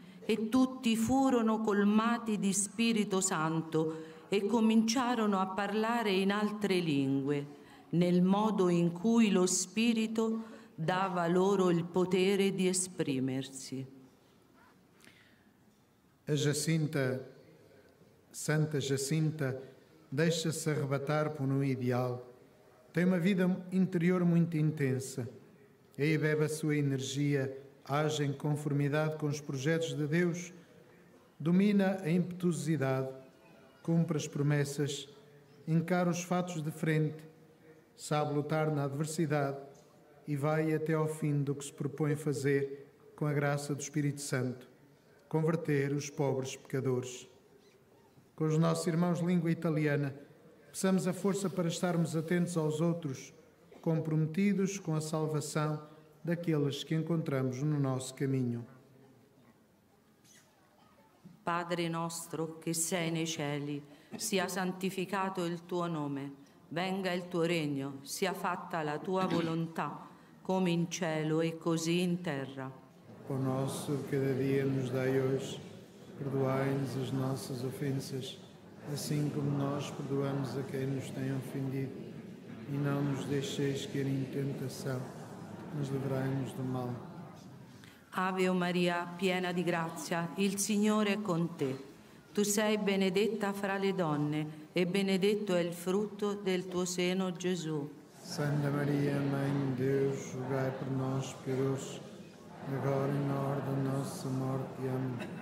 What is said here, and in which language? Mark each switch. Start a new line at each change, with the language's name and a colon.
Italian: E tutti furono colmati di Spirito Santo e cominciarono a parlare in altre lingue, nel modo in cui lo Spirito dava loro il potere di esprimersi.
Portuguese: A Jacinta, Santa Jacinta, deixa-se arrebatar por um ideal. Tem uma vida interior muito intensa. Aí bebe a sua energia, age em conformidade com os projetos de Deus, domina a impetuosidade, cumpre as promessas, encara os fatos de frente, sabe lutar na adversidade e vai até ao fim do que se propõe fazer com a graça do Espírito Santo, converter os pobres pecadores. Com os nossos irmãos de língua italiana, peçamos a força para estarmos atentos aos outros, comprometidos com a salvação daqueles que encontramos no nosso caminho.
Italian: Padre nostro che sei nei cieli, sia santificato il tuo nome, venga il tuo regno, sia fatta la tua volontà, come in cielo e così in terra.
Portuguese: O nosso cada dia nos dai hoje, perdoai-nos as nossas ofensas, assim como nós perdoamos a quem nos tem ofendido, e não nos deixeis cair em tentação, mas livrai-nos do mal.
Italian: Ave Maria, piena di grazia, il Signore è con te. Tu sei benedetta fra le donne e benedetto è il frutto del tuo seno, Gesù.
Portuguese: Santa Maria, Mãe de Deus, rogai
Italian: per noi peccatori,
Portuguese: agora e na hora da nossa morte. Amen.